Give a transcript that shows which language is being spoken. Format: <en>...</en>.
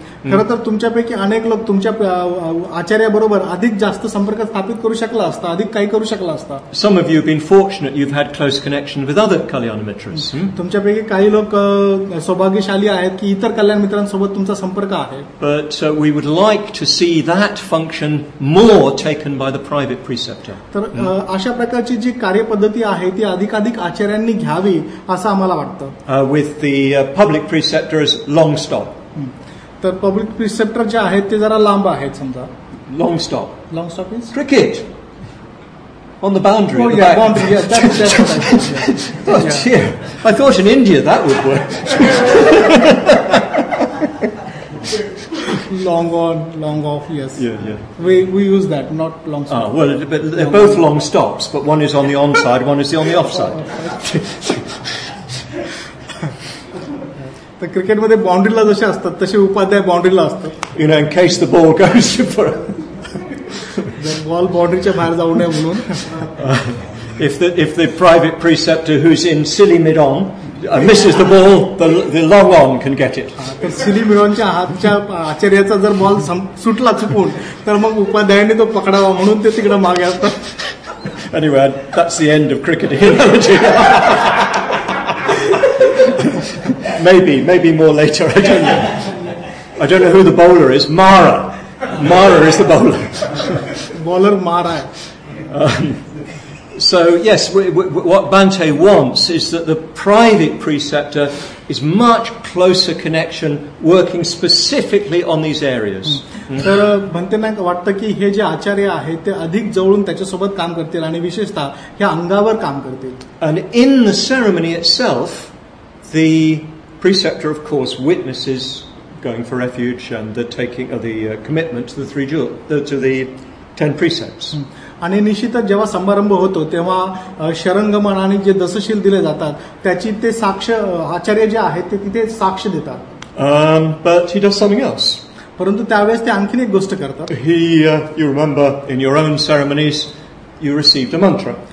<mr>खरं तर तुमच्यापैकी अनेक लोक तुमच्या आचार्याबरोबर अधिक जास्त संपर्क स्थापित करू शकला असता, अधिक काही करू शकला असता.</mr> <en>Some of you have been fortunate, you've had close connection with other Kalyana Mitras.</en> <mr>तुमच्यापैकी काही लोक सौभाग्यशाली आहेत की इतर कल्याण मित्रांसोबत तुमचा संपर्क आहे.</mr> <en>But we would like to see that function more taken by the private preceptor.</en> <mr>तर अशा प्रकारची जी कार्यपद्धती आहे ती अधिकाधिक आचार्यांनी घ्यावी असं आम्हाला वाटतं.</mr> <en>With the public preceptor as long stop.</en> <mr>The public preceptor ja ahet te jara lamb ahet samjha.</mr> <en>Long stop. Long stop is cricket on the boundary. Oh, the yeah, back. Boundary, yeah, that's oh, yeah. Dear. I thought in India that would work. Long on, long off, yes. Yeah. We use that, not long stop. Well, but they're long both long stops, but one is on the on side, one is on the off side.</en> <mr>क्रिकेटमध्ये बाउंड्रीला जसे असतात तसे उपाध्याय बाउंड्रीला असतात.</mr> <en>you know, in case the ball goes for the ball</en> <mr>बाउंड्रीच्या बाहेर जाऊ नये म्हणून.</mr> <en>If the private preceptor who is in silly mid on misses the ball, the long on can get it.</en> <mr>Silly mid ऑनच्या हातच्या आचार्याचा जर बॉल सुटला चुकून तर मग उपाध्यायाने तो पकडावा म्हणून ते तिकडे मागे असतात.</mr> <en>Anyway, that's the end of cricket analogy. Maybe more later. I don't know who the bowler is. Mara is the bowler. Bowler Mara. So yes, what Bante wants is that the private preceptor is much closer connection, working specifically on these areas.</en> <mr>तर म्हणते ना वाटतं की हे जे आचार्य आहेत ते अधिक जवळून त्याच्यासोबत काम करतील आणि विशेषतः ह्या अंगावर काम करतील.</mr> <en>And in the ceremony itself, the preceptor of course witnesses going for refuge and the taking of the commitment to the three jewels, to the 10 precepts.</en> <mr>आणि निश्चितच जेव्हा समारंभ होतो तेव्हा शरणगमन आणि जे दसशील दिले जातात त्याची ते साक्ष आचार्य जे आहेत ते तिथे साक्ष देतात.</mr> <en>But he does something else.</en> <mr>परंतु त्यावेळेस ते आणखीन एक गोष्ट करतात.</mr> <en>You remember in your own ceremonies you received a mantra.</en>